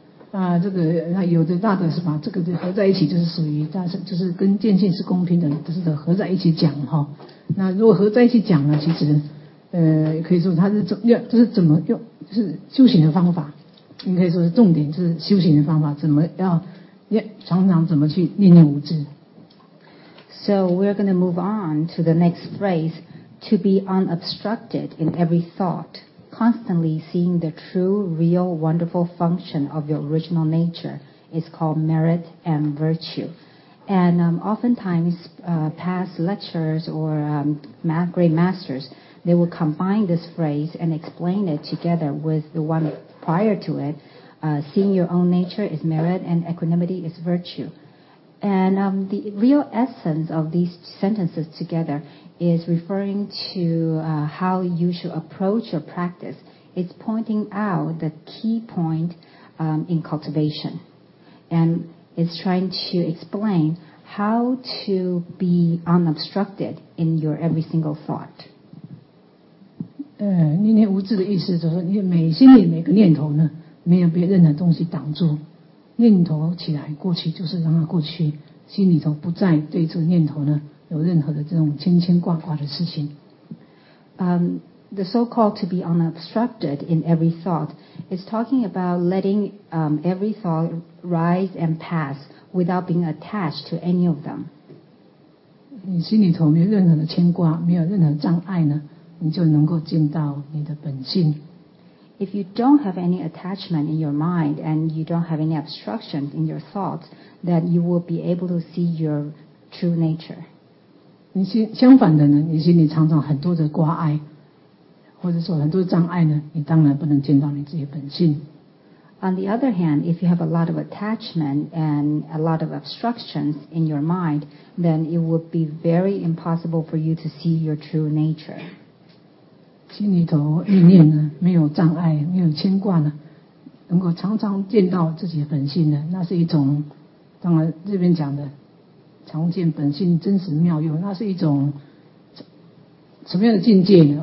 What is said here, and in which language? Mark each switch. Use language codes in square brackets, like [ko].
[zh] 那这个那有的大德是把这个合在一起，就是属于大乘，就是跟见性是公平的，就是合在一起讲哈。那如果合在一起讲呢，其实可以说它是怎么，就是怎么用，就是修行的方法，应该说是重点，就是修行的方法，怎么要常常怎么去念念无字。 [en] So we're going to move on to the next phrase, to be unobstructed in every thought, constantly seeing the true, real, wonderful function of your original nature is called merit and virtue. And oftentimes past lecturers or great masters, they will combine this phrase and explain it together with the one prior to it, seeing your own nature is merit and equanimity is virtue. And the real essence of these sentences together is referring to how you should approach your practice. It's pointing out the key point in cultivation. And it's trying to explain how to be unobstructed in your every single thought. [zh] 念念无字的意思就是你每心里每个念头呢，没有被任何东西挡住。念头起来过去就是让它过去，心里头不再对这个念头呢有任何的这种牵牵挂挂的事情。 [en] The so-called to be unobstructed in every thought is talking about letting every thought rise and pass without being attached to any of them. [zh] 你心里头没有任何的牵挂，没有任何障碍呢，你就能够见到你的本性。 [en] If you don't have any attachment in your mind and you don't have any obstruction in your thoughts, then you will be able to see your true nature. [zh] 相反的呢，你心里常常很多的挂碍，或者说很多障碍呢，你当然不能见到你自己本性。 [en] On the other hand, if you have a lot of attachment and a lot of obstructions in your mind, then it would be very impossible for you to see your true nature. [zh] 心里头意念呢，没有障碍，没有牵挂呢，能够常常见到自己的本性呢，那是一种，当然这边讲的，常见本性真实妙用，那是一种什么样的境界呢？